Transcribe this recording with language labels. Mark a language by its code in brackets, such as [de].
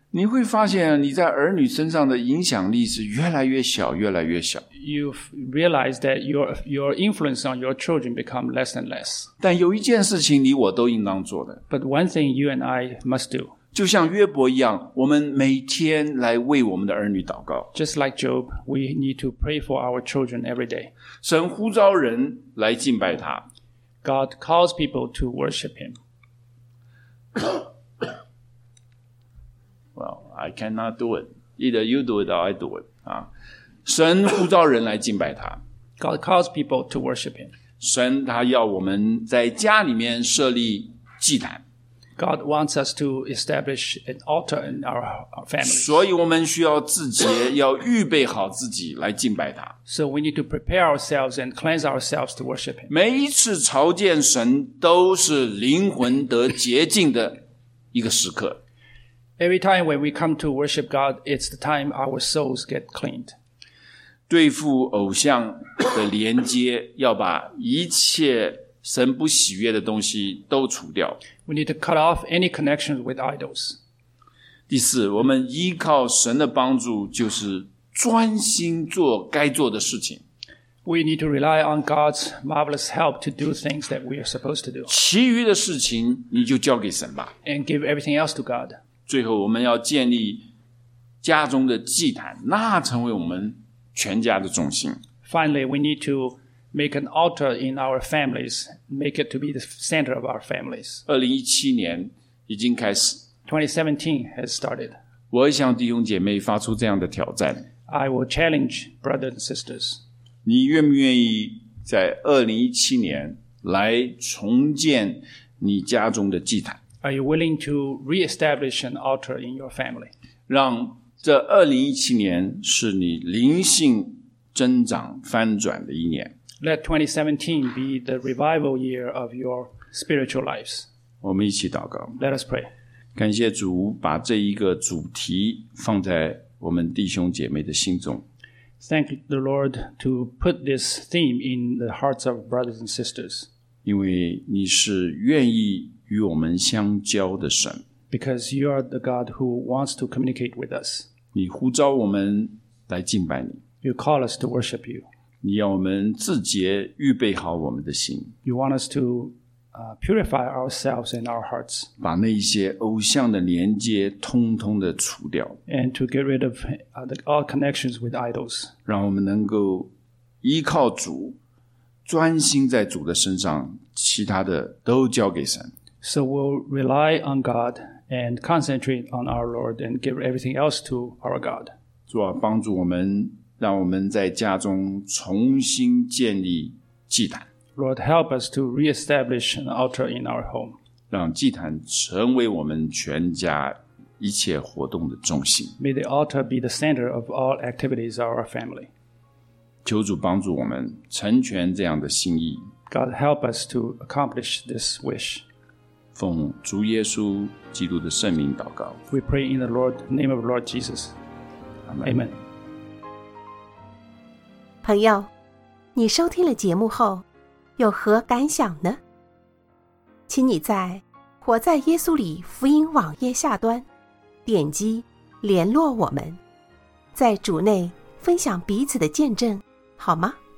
[zh] 你会发现你在儿女身上的影响力是越来越小，越来越小。 [en] You realize that your influence on your children become less and less. [zh] 但有一件事情你我都应当做的。 [en] But one thing you and I must do. [zh] 就像约伯一样，我们每天来为我们的儿女祷告。 [en] Just like Job, we need to pray for our children every day. [zh] 神呼召人来敬拜他。 [en] God calls people to worship him. Well, I cannot do it. Either you do it or I do it. [zh] 神呼召人来敬拜他。 [en] God calls people to worship him. [zh] 神他要我们在家里面设立祭坛。 [en] God wants us to establish an altar in our families. [zh] 所以我们需要自洁，要预备好自己来敬拜他。 [en] So we need to prepare ourselves and cleanse ourselves to worship him. [zh] 每一次朝见神都是灵魂得洁净的一个时刻。 [en] Every time when we come to worship God, it's the time our souls get cleaned. [zh] 对付偶像的连接，要把一切神不喜悦的东西都除掉。 [en] We need to cut off any connections with idols. [zh] 第四，我们依靠神的帮助，就是专心做该做的事情。 [en] We need to rely on God's marvelous help to do things that we are supposed to do. [zh] 其余的事情你就交给神吧。 [en] And give everything else to God. [zh] 最后，我们要建立家中的祭坛，那成为我们全家的中心。 [en] Finally, we need to make an altar in our families, make it to be the center of our families. [zh] 2017年已经开始。 [en] 2017 has started. [zh] 我向弟兄姐妹发出这样的挑战。 [en] I will challenge brothers and sisters. [zh] 你愿不愿意在2017年来重建你家中的祭坛？ [en] Are you willing to reestablish an altar in your family? [zh] 让这2017年是你灵性增长翻转的一年。 [en] Let 2017 be the revival year of your spiritual lives. [zh] 我们一起祷告。 [en] Let us pray. [zh] 感谢主把这一个主题放在我们弟兄姐妹的心中。 [en] Thank the Lord to put this theme in the hearts of brothers and sisters. [zh] 因为你是愿意与我们相交的神。 [en] Because you are the God who wants to communicate with us. [zh] 你呼召我们来敬拜你。 [en] You call us to worship you. [zh] 你要我们自洁，预备好我们的心。 [en] You want us to purify ourselves and our hearts. [zh] 把那些偶像的连接通通的除掉。 [en] And to get rid of all connections with idols. [zh] 让我们能够依靠主，专心在主的身上，其他的都交给神。 [en] So we'll rely on God and concentrate on our Lord and give everything else to our God. [zh] 主啊，帮助我们。让我们在家中重新建立祭坛。 [en] Lord, help us to reestablish an altar in our home. [zh] 让祭坛成为我们全家一切活动的中心。 [en] May the altar be the center of all activities of our family. [zh] 求主帮助我们成全这样的心意。 [en] God, help us to accomplish this wish. [zh] 奉主耶稣基督的圣名祷告。 [en] We pray in the Lord, name of Lord Jesus. Amen. Amen. [zh] 朋友，你收听了节目后有何感想呢？请你在活在耶稣里福音网页下端点击联络我们，在主内分享彼此的见证好吗？